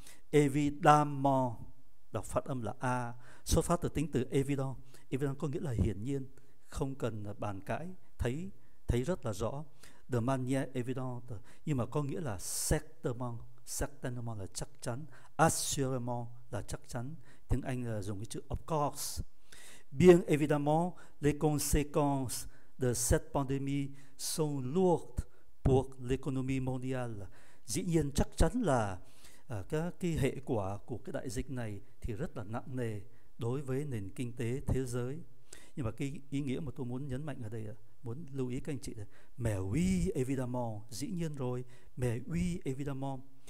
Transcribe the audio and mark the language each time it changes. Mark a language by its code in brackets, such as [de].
[vi] Évidemment, đọc phát âm là A, xuất phát từ tính từ évident. Évident có nghĩa là hiển nhiên, không cần bàn cãi, thấy rất là rõ. [fr] De manière évidente, [vi] nhưng mà có nghĩa là certainement. Certainement là chắc chắn, assurément là chắc chắn. Tiếng Anh là dùng cái chữ [en] of course. [fr] Bien évidemment, les conséquences de cette pandémie sont lourdes pour l'économie mondiale. [vi] Dĩ nhiên chắc chắn là cái hệ quả của cái đại dịch này thì rất là nặng nề đối với nền kinh tế thế giới. Nhưng mà cái ý nghĩa mà tôi muốn nhấn mạnh ở đây, muốn lưu ý các anh chị là [fr] mais oui évidemment, [vi] dĩ nhiên rồi, mais oui évidemment.